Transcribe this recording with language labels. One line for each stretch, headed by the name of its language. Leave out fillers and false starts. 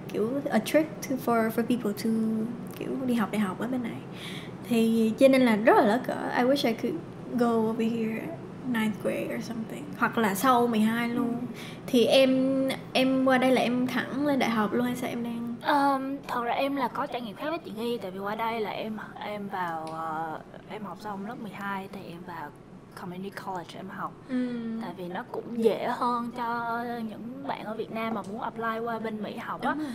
Vietnamese: Kiểu
English: a trick to, for people to
Vietnamese: kiểu đi học đại học ở bên này. Thì cho nên là rất là lỡ cỡ.
English: I wish I could go over here ninth grade or something.
Vietnamese: Hoặc là sau 12 luôn. Thì em qua đây là em thẳng lên đại học luôn hay sao em đang? Thật ra em là có trải nghiệm khác với chị Nghi. Tại vì qua đây là em vào em học xong lớp 12 thì em vào community college em học. Tại vì nó cũng dễ hơn cho những bạn ở Việt Nam mà muốn apply qua bên Mỹ học á.